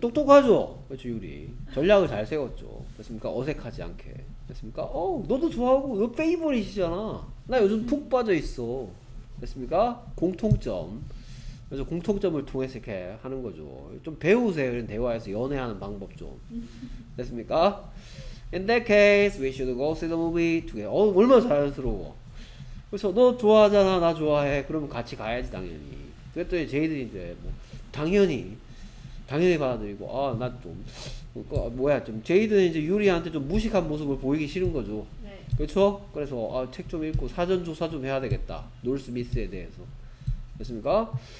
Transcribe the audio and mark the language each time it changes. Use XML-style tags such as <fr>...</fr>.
<ko>똑똑하죠? 그렇죠, 유리. 전략을 잘 세웠죠. 됐습니까? 어색하지 않게. 됐습니까? 어, 너도 좋아하고, 너 페이보릿이잖아. 나 요즘 푹 빠져 있어. 됐습니까? 공통점. 그래서 공통점을 통해서 이렇게 하는 거죠. 좀 배우세요, 이런 대화에서 연애하는 방법 좀. 됐습니까?</ko> <en>In that case, we should go see the movie together.</en> <ko>어, 얼마나 자연스러워. 그래서 너 좋아하잖아, 나 좋아해. 그러면 같이 가야지, 당연히. 그랬더니 제이든이 이제 뭐 당연히 받아들이고, 아, 나 좀 그, 뭐야, 좀 제이든이 이제 유리한테 좀 무식한 모습을 보이기 싫은 거죠. 네. 그렇죠? 그래서 아, 책 좀 읽고 사전 조사 좀 해야 되겠다, 놀 스미스에 대해서. 됐습니까?</ko>